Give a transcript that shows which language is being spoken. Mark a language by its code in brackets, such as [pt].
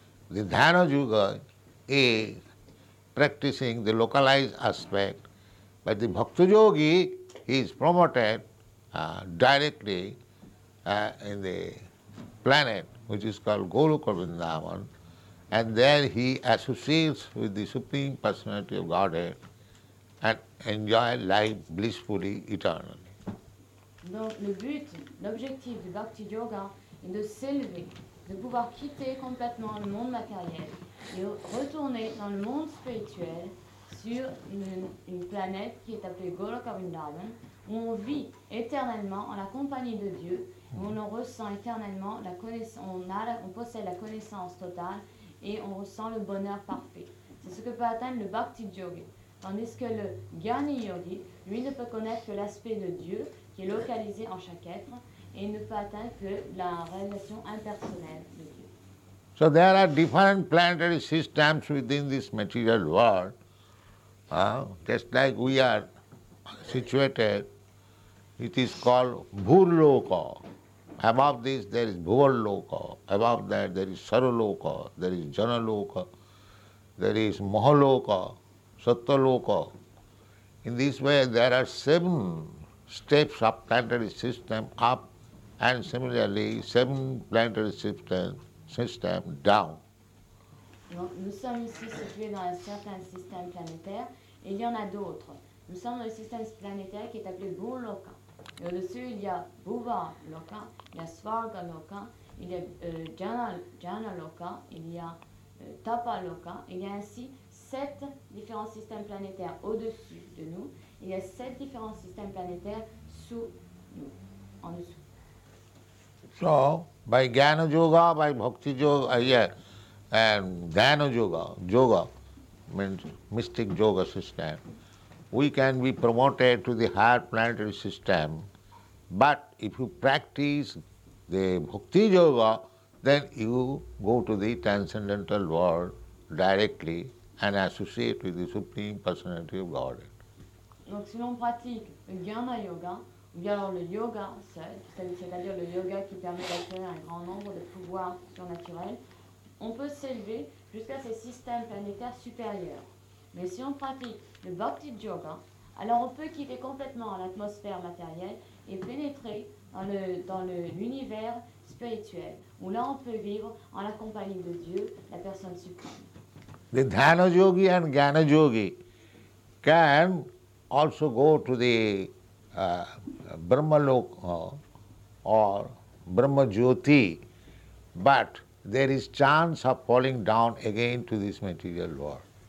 [en] The dhyana yoga is practicing the localized aspect, but the bhakti yogi, he is promoted directly in the planet which is called Goloka Vrindavan, and there he associates with the Supreme Personality of Godhead and enjoy life blissfully, eternally. [fr] Donc le but, l'objectif du Bhakti Yoga est de s'élever, de pouvoir quitter complètement le monde matériel et retourner dans le monde spirituel sur une planète qui est appelée Goloka Vrindavan, où on vit éternellement en la compagnie de Dieu, où on en ressent éternellement la connaissance, on possède la connaissance totale et on ressent le bonheur parfait. C'est ce que peut atteindre le Bhakti Yogi, tandis que le Jnani Yogi, lui, ne peut connaître que l'aspect de Dieu qui est localisé en chaque être et ne peut atteindre que la réalisation impersonnelle de Dieu. [en] So there are different planetary systems within this material world, just like we are situated. It is called Bhurloka. Above this there is Bhuvarloka. Above that there is Saraloka, there is Janaloka, there is Mahaloka, Sattaloka. In this way there are seven steps of planetary system up, and similarly seven planetary system down. [fr] Nous sommes ici situés dans un certain système planétaire, et il y en a d'autres. Nous sommes dans le système planétaire qui est appelé Bhurloka. Et au-dessus, il y a Bhuvarloka, il y a Svargaloka, il y a Jnanaloka, il y a Tapaloka. Il y a ainsi sept différents systèmes planétaires au-dessus de nous. Il y a sept différents systèmes planétaires sous nous, en dessous. [en] So, by Jnana Yoga, by Bhakti Yoga, and Jnana Yoga, Yoga means mystic yoga system, we can be promoted to the higher planetary system. But if you practice the Bhakti Yoga, then you go to the transcendental world directly and associate with the Supreme Personality of Godhead. [fr] Donc si l'on pratique le Jnana Yoga, ou bien alors le yoga seul, c'est-à-dire le yoga qui permet d'acquérir un grand nombre de pouvoirs surnaturels, on peut s'élever jusqu'à ces systèmes planétaires supérieurs. Mais si on pratique le Bhakti Yoga, alors on peut quitter complètement l'atmosphère matérielle et pénétrer dans l'univers spirituel, où là on peut vivre en la compagnie de Dieu, la personne suprême. [en] The Dhyana Yogi and Jnana Yogi can also go to the Brahma Loka or Brahma Jyoti, but there is chance of falling down again to this material world.